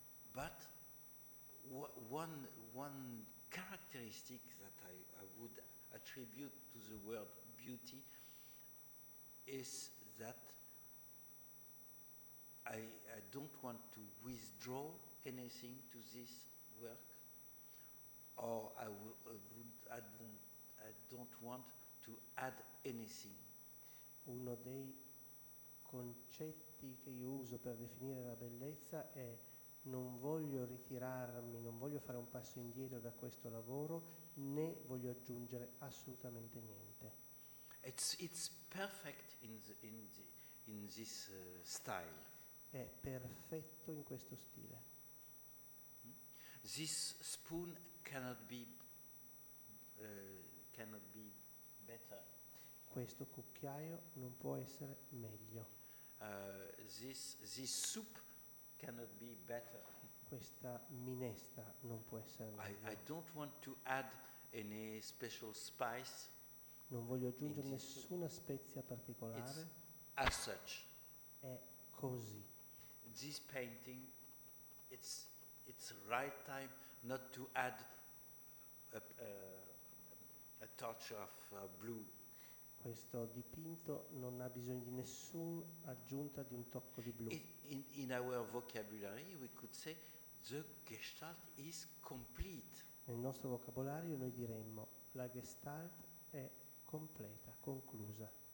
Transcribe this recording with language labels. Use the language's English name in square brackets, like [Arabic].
[English] But one characteristic that I would attribute to the word beauty is that I don't want to withdraw anything to this work, or I don't want to add anything. [Italian] Uno dei concetti che io uso per definire la bellezza è: non voglio ritirarmi, non voglio fare un passo indietro da questo lavoro, né voglio aggiungere assolutamente niente. [English] It's perfect in this style. [Italian] È perfetto in questo stile. [English] This spoon cannot be better. [Italian] Questo cucchiaio non può essere meglio. [English] This soup cannot be better. [Italian] Questa minestra non può essere meglio. [English] I don't want to add any special spice. [Italian] Non voglio aggiungere nessuna spezia particolare. [English] As such. [Italian] È così. [English] This painting, it's right time not to add a touch of blue. [Italian] Questo dipinto non ha bisogno di nessuna aggiunta di un tocco di blu. [English] In our vocabulary we could say the gestalt is complete. [Italian] Nel nostro vocabolario noi diremmo la gestalt è completa, conclusa.